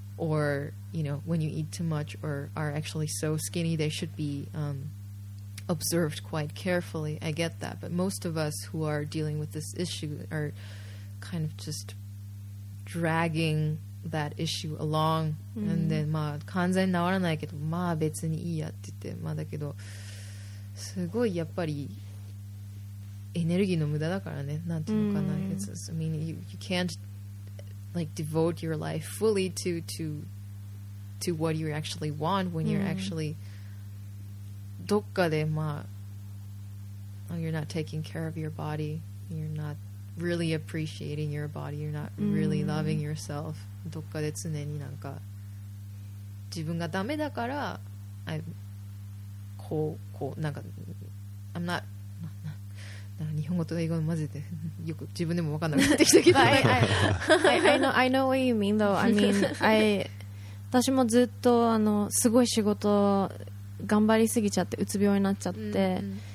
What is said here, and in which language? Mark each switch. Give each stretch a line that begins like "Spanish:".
English: or you know when you eat too much or are actually so skinny, they should be observed quite carefully. I get that, but most of us who are dealing with this issue are kind of just dragging that issue along. Mm-hmm.
Japanese: And then まあ完全に治らないけどまあ別にいいやって言ってまあだけどすごいやっぱりエネルギーの無駄だからねなんていうのかな、mm-hmm.
English: It's, I mean you can't like devote your life fully to what you actually want when you're mm-hmm. actually
Japanese: どっかでまあ
English: you're not taking care of your body, you're not really appreciating your body, you're not really mm-hmm. loving yourself.
Japanese: どっかで常になんか自分がダメだから
English: I'm
Japanese: こうなんか
English: I'm not
Japanese: なんか日本語と英語混ぜてよく自分でも分かんなくなってきたけど
English: I know what you mean though. I mean I
Japanese: 私もずっとあのすごい仕事頑張りすぎちゃってうつ病になっちゃって、mm-hmm.